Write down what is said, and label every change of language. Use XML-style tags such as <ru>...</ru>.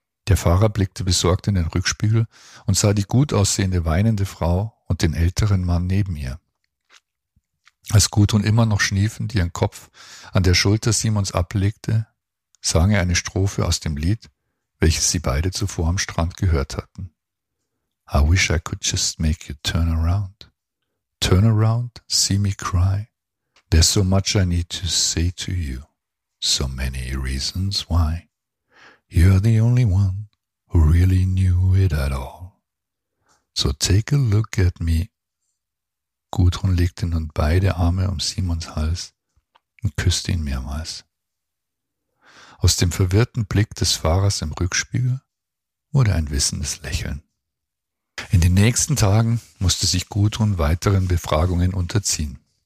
<de>Der Fahrer blickte besorgt in den Rückspiegel und sah die gut aussehende weinende Frau und den älteren Mann neben ihr. Als Gudrun immer noch schniefend ihren Kopf an der Schulter Simons ablegte, sang er eine Strophe aus dem Lied, welches sie beide zuvor am Strand gehört hatten.</de> <en>I wish I could just make you turn around. Turn around, see me cry. There's so much I need to say to you. So many reasons why. You're the only one who really knew it at all. So take a look at me.</en> <de>Gudrun legte nun beide Arme um Simons Hals und küsste ihn mehrmals. Aus dem verwirrten Blick des Fahrers im Rückspiegel wurde ein wissendes Lächeln. In den nächsten Tagen musste sich Gudrun weiteren Befragungen unterziehen.</de>